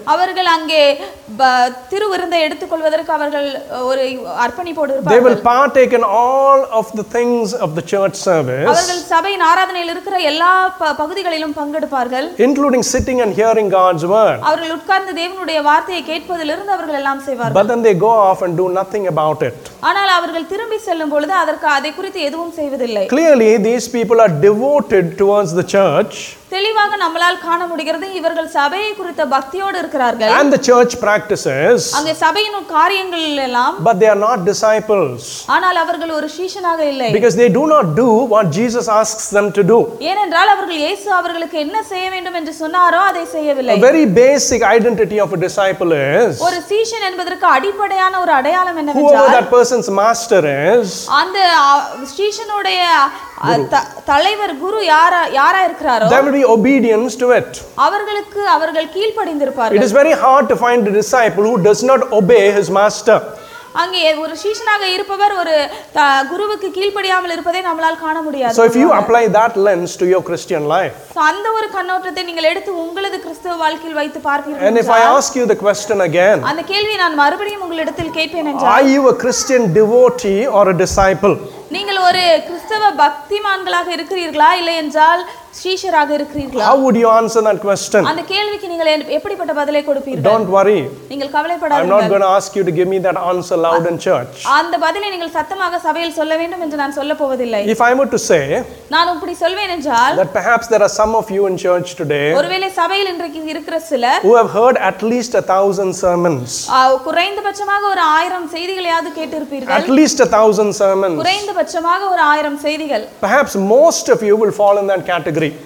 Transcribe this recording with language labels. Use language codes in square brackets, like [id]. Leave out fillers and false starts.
[ta] அவர்கள் அங்கே திருவிருந்தை எடுத்துக்கொள்வதற்கு அவர்கள் ஒரு அர்ப்பணிப்போடு இருப்பார்கள். [en] They will partake in all of the things of the church service. [ta] அவர்கள் சபையின் ஆராதனையில் இருக்கிற எல்லா பகுதிகளிலும் பங்கெடுப்பார்கள். [en] Including sitting and hearing God's word. [ta] அவர்கள் உட்கார்ந்து தேவனுடைய வார்த்தையை கேட்பதிலிருந்து அவர்கள் எல்லாம் செய்வார்கள். [en] But then they go off and do nothing about it. [ta] ஆனால் அவர்கள் திரும்பி செல்லும் பொழுது அதற்கு அதை குறித்து எதுவும் செய்வதில்லை. [en] Clearly these people are devoted towards the church. [ta] தெளிவாக நம்மால் காண முடிகிறது இவர்கள் சபையை குறித்த பக்தியோடு இருக்கிறார்கள். [en] And the church practices. [ta] அங்க சபையின் காரியங்கள் எல்லாம். [en] But they are not disciples. [ta] ஆனால் அவர்கள் ஒரு சீஷனாக இல்லை. [en] Because they do not do what Jesus asks them to do. [ta] ஏனென்றால் அவர்கள் இயேசு அவர்களுக்கு என்ன செய்ய வேண்டும் என்று சொன்னாரோ அதை செய்யவில்லை. [en] A very basic identity of a disciple is. [ta] ஒரு சீஷன் என்பதற்கு அடிப்படையான ஒரு அடையாளம் என்னவென்றால். [en] Who that person's master is. [ta] அந்த சீஷனுடைய தலைவர் குரு யாரா இருக்கிறாரோ. [en] There will be obedience to it. [ta] அவர்களுக்கு அவர்கள் கீழ்ப்படிந்திருப்பார்கள். [en] It is very hard to find a disciple who does not obey his master. [ta] அங்கே ஒரு சீஷனாக இருப்பவர் ஒரு குருவுக்கு கீழ்ப்படியாமல் இருப்பதை நம்மால் காண முடியாது. [en] So if you apply that lens to your Christian life. [ta] அந்த ஒரு கண்ணோட்டத்தை நீங்கள் எடுத்து உங்களது கிறிஸ்தவ வாழ்க்கையில் வைத்து பார்ப்பீர்கள். [en] And if I ask you the question again. [ta] அந்த கேள்வியை நான் மறுபடியும் உங்களிடத்தில் கேட்பேன் என்றால். [en] Are you a Christian devotee or a disciple? [ta] நீங்கள் ஒரு கிறிஸ்தவ பக்திமான்களாக இருக்கிறீர்களா இல்லை என்றால் சீஷராக இருக்கிறீர்களா? [en] How would you answer that question? [ta] அந்த கேள்விக்கு நீங்கள் எப்படிப்பட்ட பதிலை கொடுப்பீர்கள்? [en] Don't worry. [ta] நீங்கள் கவலைப்படாதீர்கள். [en] I'm not going to ask you to give me that answer loud in church. [ta] அந்த பதிலை நீங்கள் சத்தமாக சபையில் சொல்ல வேண்டும் என்று நான் சொல்லப் போவதில்லை. [en] If I were to say [ta] நான் இப்படி சொல்வேன் என்றால் [en] that perhaps there are some of you in church today [ta] ஒருவேளை சபையில் இன்றைக்கு இருக்கிற சிலர் [en] who have heard at least 1,000 sermons [ta] குறைந்தபட்சமாக ஒரு 1,000 செய்திகளையாவது கேட்டிருப்பீர்கள். [en] At least 1,000 sermons [ta] குறைந்தபட்சமாக ஒரு 1,000 செய்திகள். [en] Perhaps most of you will fall in that category.